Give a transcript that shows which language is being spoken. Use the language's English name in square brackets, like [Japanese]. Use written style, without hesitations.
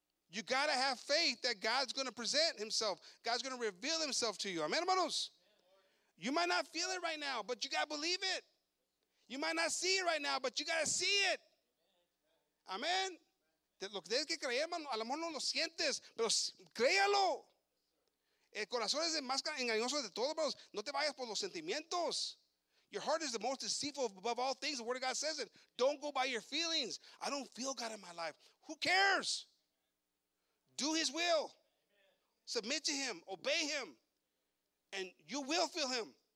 [English] You got to have faith that God's going to present himself. God's going to reveal himself to you. Amen, hermanos. You might not feel it right now, but you got to believe it. You might not see it right now, but you got to see it. [Spanish] Amén. Lo que tienes que creer, hermano, a lo mejor no lo sientes, pero créalo. El corazón es el más engañoso de todos, hermanos. No te vayas por los sentimientos. [English] Your heart is the most deceitful above all things. The word of God says it. Don't go by your feelings. I don't feel God in my life. Who cares? Do his will. Submit to him. Obey him. And you will feel him.